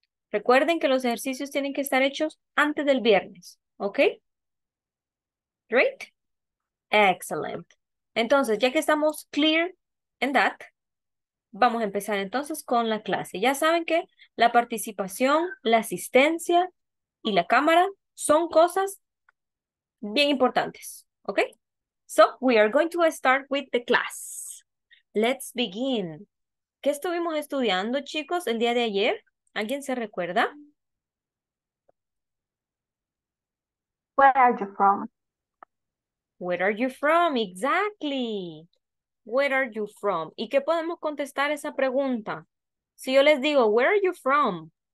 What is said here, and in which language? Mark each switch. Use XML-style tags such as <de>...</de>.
<es>Recuerden que los ejercicios tienen que estar hechos antes del viernes, ¿ok?</es> <en>Great. Excellent.</en> <es>Entonces, ya que estamos</es> <en>clear in that,</en> <es>vamos a empezar entonces con la clase. Ya saben que la participación, la asistencia y la cámara son cosas bien importantes. ¿Ok?</es> <en>So, we are going to start with the class. Let's begin.</en> <es>¿Qué estuvimos estudiando, chicos, el día de ayer? ¿Alguien se recuerda?</es> <en>Where are you from? Where are you from? Exactly. Where are you from?</en> <es>¿Y qué podemos contestar a esa pregunta? Si yo les digo,</es> <en>where are you from?</en>